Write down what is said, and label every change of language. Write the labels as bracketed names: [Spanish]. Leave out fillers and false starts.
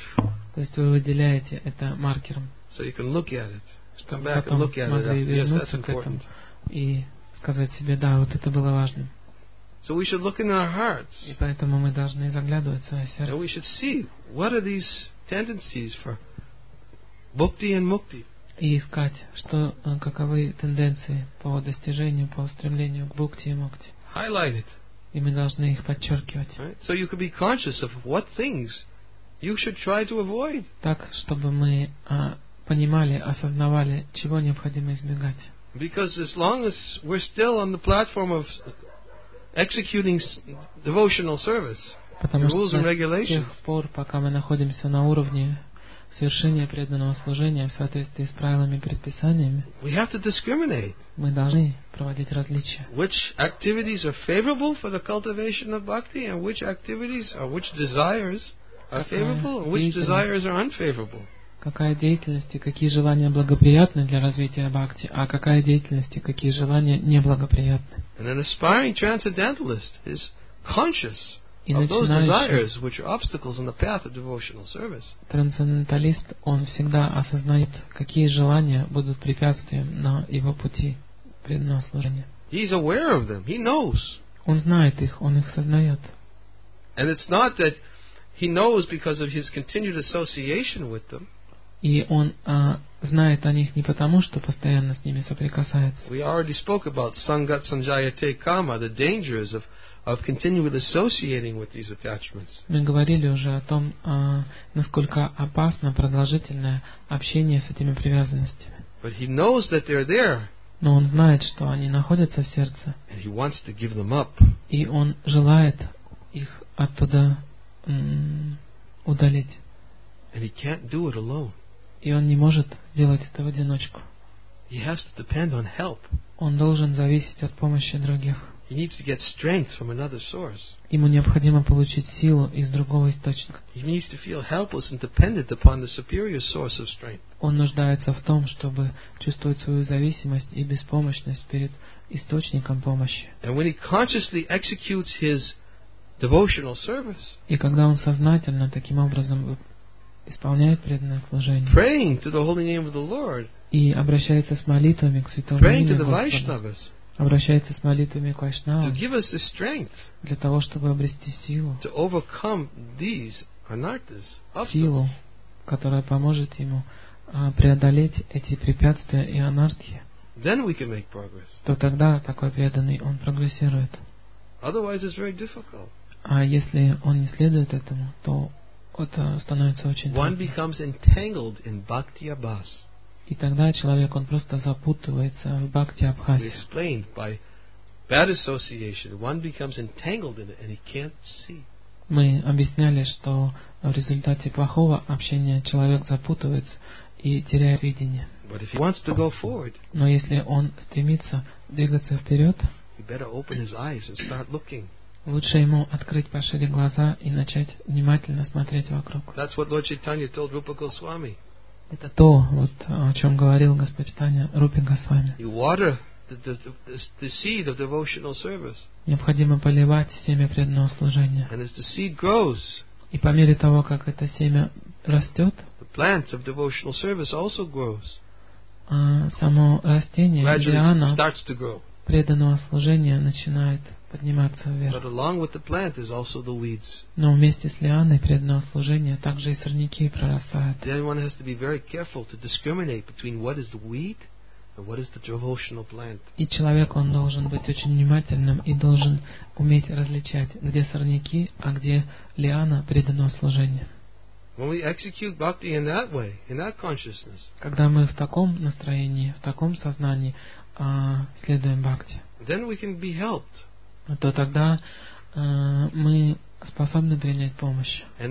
[Russian] То есть вы выделяете это маркером. [English] So you can look at it. Come back and look at it. Yes, that's important. [Russian] И сказать себе: да, вот это было важным. [English] So we should look in our hearts. [Russian] И поэтому мы должны заглядывать в свое сердце. [English] And we should see what are these tendencies for bhukti and mukti. [Russian] И искать, что, каковы тенденции по достижению, по устремлению к бхукти и мукти. [English] Highlight it. [Russian] И мы должны их подчеркивать. [English] Right? So you could be conscious of what things you should try to avoid. [Russian] Так, чтобы мы понимали, осознавали, чего необходимо избегать. [English] Because as long as we're still on the platform of executing devotional service, [Russian] потому [English] the rules and regulations. [Russian] Тех пор, пока мы находимся на уровне совершения преданного служения в соответствии с правилами и предписаниями, [English] we have to discriminate. [Russian] Мы должны проводить различия. [English] Which activities are favorable for the cultivation of bhakti, and which activities, or which desires are favorable, and which desires are unfavorable. [Russian] какая деятельность и какие желания благоприятны для развития бхакти, а какая деятельность и какие желания неблагоприятны. [English] And an aspiring transcendentalist is conscious of those desires which are obstacles in the path of devotional service. [Russian] Трансценденталист, он всегда осознает, какие желания будут препятствием на его пути преданного служения. [English] He is aware of them. He knows. [Russian] Он знает их, он их сознает. [English] And it's not that he knows because of his continued association with them. [Russian] И он знает о них не потому, что постоянно с ними соприкасается. [English] We already spoke about sangat sanjayate kama, the dangers of continually associating with these attachments. [Russian] Мы говорили уже о том, насколько опасно продолжительное общение с этими привязанностями. [English] But he knows that they're there. [Russian] Но он знает, что они находятся в сердце. [English] And he wants to give them up. [Russian] И он желает их оттуда удалить. [English] And he can't do it alone. [Russian] И он не может сделать это в одиночку. [English] He has to depend on help. [Russian] Он должен зависеть от помощи других. [English] He needs to get strength from another source. [Russian] Ему необходимо получить силу из другого источника. [English] He needs to feel helpless and dependent upon the superior source of strength. [Russian] Он нуждается в том, чтобы чувствовать свою зависимость и беспомощность перед источником помощи. [English] And when he consciously executes his devotional service, [Russian] и когда он сознательно таким образом исполняет преданное служение, [English] praying to the holy name of the Lord, [Russian] и обращается с молитвами к Святому Имени, обращается с молитвами к Вайшнавам, [English] to give us the strength, [Russian] для того, чтобы обрести силу, [English] to overcome these anarthas, [Russian] силу, которая поможет ему преодолеть эти препятствия и анархии, [English] then we can make progress. [Russian] То тогда такой преданный, он прогрессирует. [English] Otherwise, it's very difficult. [Russian] А если он не следует этому, то это становится очень трудно. [English] One becomes entangled in bhakti abhas. [Russian] И тогда человек, он просто запутывается в бхакти абхасе. [English] We explained by bad association, one becomes entangled in it and he can't see. [Russian] Мы объясняли, что в результате плохого общения человек запутывается и теряет видение. [English] But if he wants to go forward, [Russian] но если он стремится двигаться вперед, [English] he better open his eyes and start looking. [Russian] Лучше ему открыть пошире глаза и начать внимательно смотреть вокруг. [English] That's what Lord Chaitanya told Rupa Goswami. [Russian] Это то, вот, о чем говорил Господь Чайтанья Рупе Госвами. [English] You water the seed of devotional service. [Russian] Необходимо поливать семя преданного служения. [English] And as the seed grows, [Russian] и по мере того, как это семя растет, [English] the plant of devotional service also grows. [Russian] Само растение, лиана, [English] starts to grow. [Russian] Преданного служения начинает подниматься вверх. [English] But along with the plant is also the weeds. [Russian] Но вместе с лианой преданного служения также и сорняки прорастают. [English] Then one has to be very careful to discriminate between what is the weed and what is the devotional plant. [Russian] И человек, он должен быть очень внимательным и должен уметь различать, где сорняки, а где лиана преданного служения. [English] When we execute bhakti in that way, in that consciousness, [Russian] когда мы в таком настроении, в таком сознании следуем бхакти, [English] then we can be helped. [Russian] То тогда мы способны принять помощь.